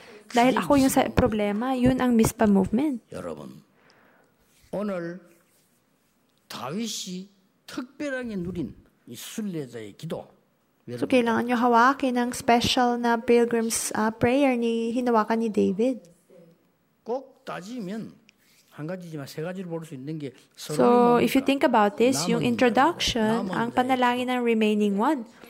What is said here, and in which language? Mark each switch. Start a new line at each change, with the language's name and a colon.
Filipino: Dahil ako yung sa problema, yun ang Mizpah movement.
Korean: 여러분, 오늘 다윗이 특별하게 누린 이 순례자의 기도
Filipino: So, kailangan nyo hawakin ang special na pilgrim's prayer ni hinawakan ni David.
Korean: 꼭 따지면 한 가지지만 세 가지를 볼 수 있는 게
Filipino: So,
English: if you think about this,
Filipino: yung introduction, ang panalangin ng remaining one.